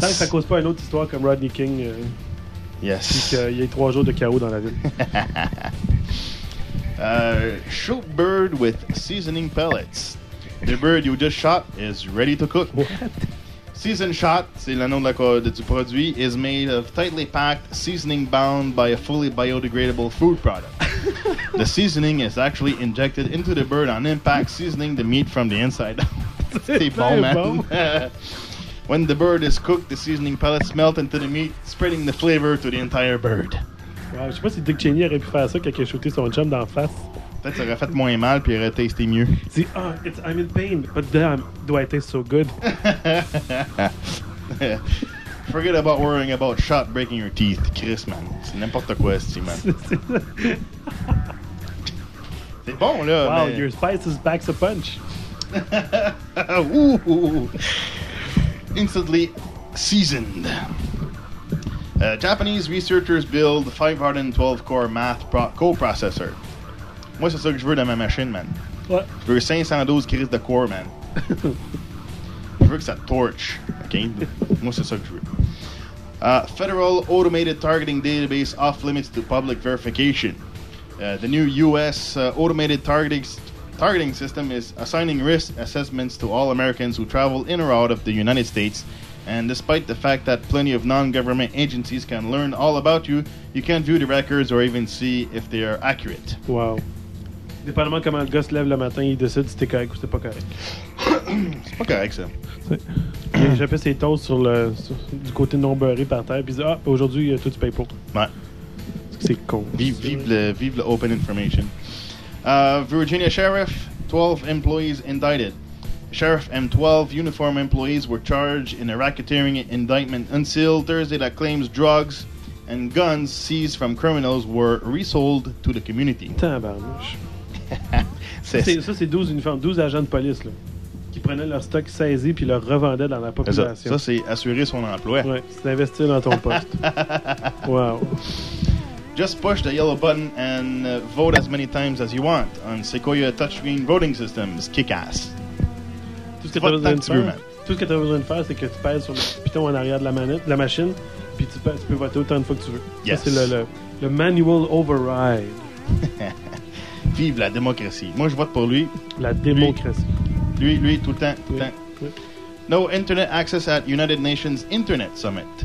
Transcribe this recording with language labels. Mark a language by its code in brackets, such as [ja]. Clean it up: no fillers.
[fr] Tant que ça cause pas une autre histoire comme Rodney King. [en] Yes. [fr] Puis qu'il y ait trois jours de chaos dans la ville. [en] Shoot bird with seasoning pellets. The bird you just shot is ready to cook. What? Season shot, [fr] c'est le nom de du produit, [en] is made of tightly packed seasoning bound by a fully biodegradable food product. The seasoning is actually injected into the bird on impact, seasoning the meat from the inside out. [fr] C'est bon, man. Bon. [en] When the bird is cooked, the seasoning pellets melt into the meat, spreading the flavor to the entire bird. [fr] Wow, je sais pas si Dick Cheney aurait pu faire ça quand il a shooté son chum dans la face. Peut-être ça aurait fait moins mal puis aurait tasté mieux. C'est [en] « Ah, I'm in pain, but damn, do I taste so good? » Forget about worrying about shot breaking your teeth, Chris, man. [fr] C'est n'importe quoi, c'est, man. C'est bon, là. Wow, mais... [en] your spices packs a punch. Ooh, instantly seasoned. Japanese researchers build 512-core math coprocessor. [fr] Moi, c'est ça que je veux dans ma machine, man. [en] What? [fr] Je veux 512 crises de core, man. Je veux que ça torche, OK? Moi, c'est ça que je veux. [en] Federal Automated Targeting Database off-limits to public verification. The new U.S. Automated Targeting System is assigning risk assessments to all Americans who travel in or out of the United States. And despite the fact that plenty of non-government agencies can learn all about you, you can't view the records or even see if they are accurate. Wow. [fr] Dépendamment comment le gars se lève le matin, il décide si t'es correct ou si t'es pas correct. C'est pas correct, ça. J'ai fait ses toasts du côté non beurré par terre, puis il dit « Ah, aujourd'hui, toi, tu payes pour. » Ouais. C'est con. Vive le open information. [en] Virginia Sheriff, 12 employees indicted. Sheriff and 12 uniform employees were charged in a racketeering indictment unsealed Thursday that claims drugs and guns seized from criminals were resold to the community. [fr] Tabarnouche. C'est 12 uniformes, 12 agents de police là, qui prenaient leur stock saisi puis le revendaient dans la population. Ça c'est assurer son emploi. Ouais, c'est investir dans ton poste. Wow. [en] Just push the yellow button and vote as many times as you want on Sequoia touchscreen voting systems. Kick ass. [fr] Tout ce que tu as besoin de faire, c'est que tu pèses sur le piton en arrière de la machine, puis tu peux voter autant de fois que tu veux. [en] Yes. [fr] Ça, c'est le manual override. Vive la démocratie. Moi, je vote pour lui. La démocratie. Lui, tout le temps, tout le temps. [en] No internet access at United Nations Internet Summit.